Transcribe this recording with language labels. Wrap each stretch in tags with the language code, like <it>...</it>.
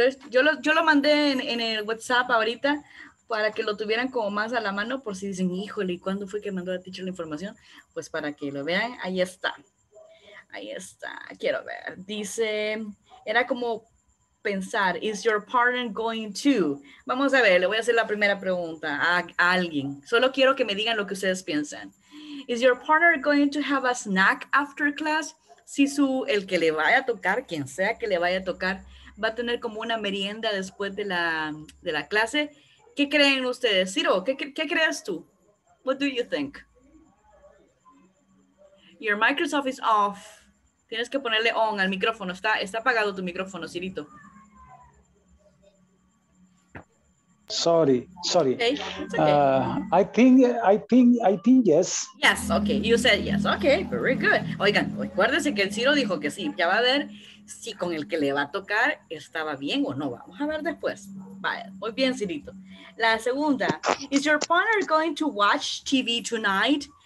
<es>Yo lo mandé en el WhatsApp ahorita para que lo tuvieran como más a la mano por si dicen, híjole, ¿y cuándo fue que mandó la teacher la información? Pues para que lo vean, ahí está. Ahí está, quiero ver. Dice, era como pensar,</es> <en>is your partner going to?</en> <es>Vamos a ver, le voy a hacer la primera pregunta a alguien. Solo quiero que me digan lo que ustedes piensan.</es> <en>Is your partner going to have a snack after class?</en> <es>Si el que le vaya a tocar, quien sea que le vaya a tocar, va a tener como una merienda después de la clase. ¿Qué creen ustedes? Ciro, ¿qué crees tú?</es> <en>What do you think? Your Microsoft is off.</en> <es>Tienes que ponerle on al micrófono. Está apagado tu micrófono, Cirito.</es> <en>Sorry. Okay. Okay. I think yes. Yes, okay. You said yes. Okay, very good.</en> <es>Oigan, acuérdense que el Ciro dijo que sí. Ya va a ver si con el que le va a tocar estaba bien o no. Vamos a ver después. Vale. Muy bien, Cirito. La segunda.</es> <en>Is your partner going to watch TV tonight?</en>